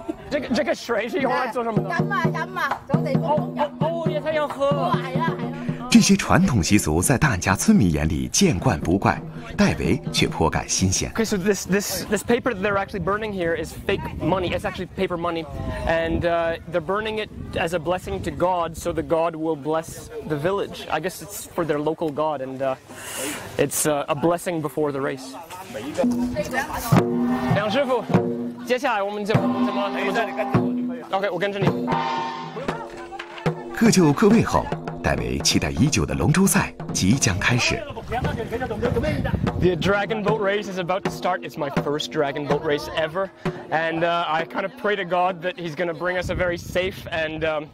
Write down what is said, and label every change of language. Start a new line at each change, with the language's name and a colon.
Chinese: 这个水是用来做什么的？饮啊，坐地公公饮。哦，也太想喝。这些传统习俗在大家村民眼里见惯不怪，戴维却颇感新鲜。
English: Okay, so this paper that they're actually burning here is fake money. It's actually paper money, and they're burning it as a blessing to God, so the God will bless the village. I guess it's for their local God, and it's a blessing before the race.
Chinese: 梁师傅，接下来我们就怎么 ？OK, 我跟着你。各就各位后。戴维期待已久的龙舟赛即将开始。
English: The dragon boat race is about to start. It's my first dragon boat race ever, and I kind of pray to God that he's going to bring us a very safe and.